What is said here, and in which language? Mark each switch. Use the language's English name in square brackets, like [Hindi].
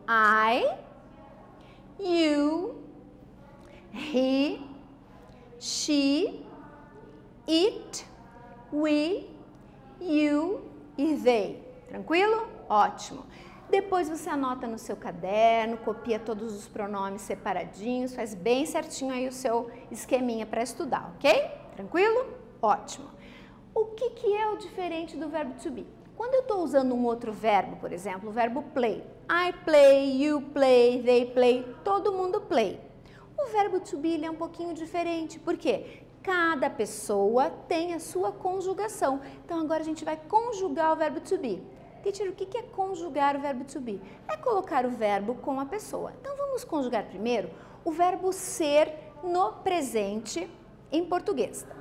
[English] I, you, he, she, it, we, you e they. [Portuguese] Tranquilo? Ótimo. Depois você anota no seu caderno, copia todos os pronomes separadinhos, faz bem certinho aí o seu esqueminha para estudar, ok? Tranquilo? Ótimo. O que que é o diferente do verbo to be? Quando eu estou usando um outro verbo, por exemplo, o verbo play. [English] I play, you play, they play, [Portuguese] todo mundo [English] play. [Portuguese] O verbo to be, ele é um pouquinho diferente, por quê? Cada pessoa tem a sua conjugação. Então agora a gente vai conjugar o verbo to be. Teacher, o que é conjugar o verbo to be? É colocar o verbo com a pessoa. Então vamos conjugar primeiro o verbo ser no presente em português.